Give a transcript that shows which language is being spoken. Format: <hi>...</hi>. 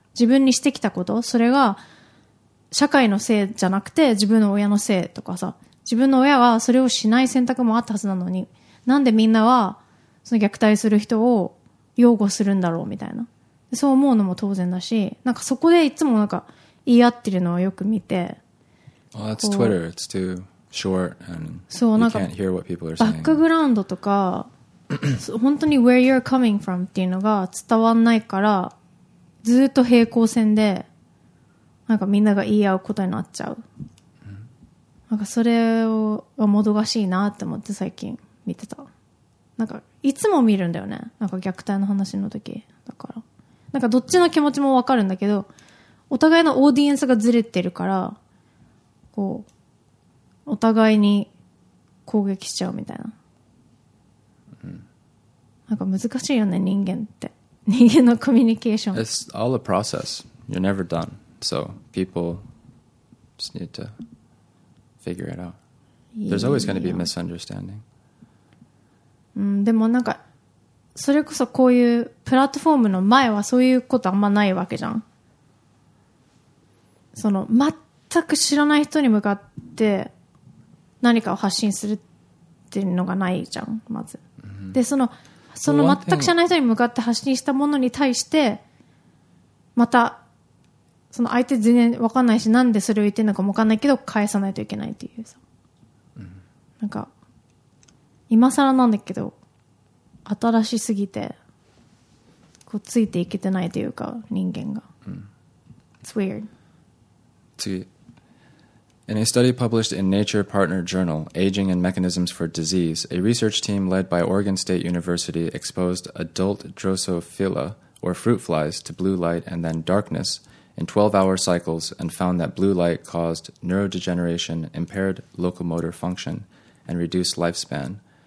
<ja>自分にしてきたこと、それが社会のせいじゃなくて自分の親のせいとかさ、自分の親はそれをしない選択もあったはずなのに、なんでみんなはその虐待する人を擁護するんだろうみたいな。そう思うのも当然だし、なんかそこでいつもなんか言い合ってるのをよく見て。</ja> <en>Well, that's Twitter. It's too short and you can't hear what people are saying.</en> <ja>バックグラウンドとか、本当に</ja> <en>where you're coming from</en> <ja>っていうのが伝わんないからずっと平行線でなんかみんなが言い合うことになっちゃう、なんかそれはもどかしいなって思って最近見てた。なんかいつも見るんだよね、なんか虐待の話の時だから。なんかどっちの気持ちもわかるんだけど、お互いのオーディエンスがずれてるからこうお互いに攻撃しちゃうみたいな。</ja> <en>It's all a process. You're never done. So people just need to figure it out. There's always going to be misunderstanding.</en> <ja>でもなんかそれこそこういうプラットフォームの前はそういうことあんまないわけじゃん。その全く知らない人に向かって何かを発信するっていうのがないじゃん、まず。でその全く知らない人に向かって発信したものに対してまたその相手全然分かんないし、なんでそれを言ってるのかも分かんないけど返さないといけないっていうさ、なんか今更なんだけど新しすぎてこうついていけてないというか人間が。</ja> <en>It's weird.</en> <ja>次。</ja> <en>In a study published in Nature Partner Journal, Aging and Mechanisms for Disease, a research team led by Oregon State University exposed adult Drosophila, or fruit flies, to blue light and then darkness in 12-hour cycles and found that blue light caused neurodegeneration, impaired locomotor function, and reduced lifespan.</en>